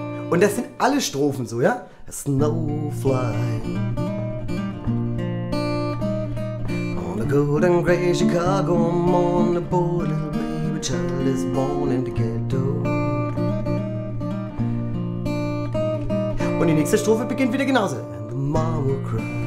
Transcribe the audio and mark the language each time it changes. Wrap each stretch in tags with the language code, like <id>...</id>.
<de>Und das sind alle Strophen so, ja?</de> <en>Snowfly. On a cold and gray Chicago morning, a poor little baby child is born in the ghetto.</en> <de>Und die nächste Strophe beginnt wieder genauso.</de> <en>And the mama cried.</en>